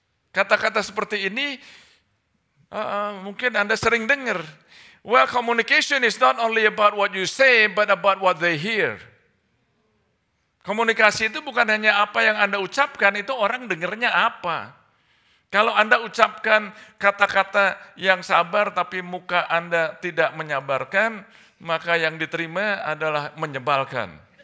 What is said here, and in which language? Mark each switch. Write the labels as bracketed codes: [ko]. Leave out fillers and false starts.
[id] Kata-kata seperti ini mungkin Anda sering dengar. [en] Well, communication is not only about what you say, but about what they hear. [id] Komunikasi itu bukan hanya apa yang Anda ucapkan, itu orang dengarnya apa. Kalau Anda ucapkan kata-kata yang sabar, tapi muka Anda tidak menyabarkan, maka yang diterima adalah menyebalkan.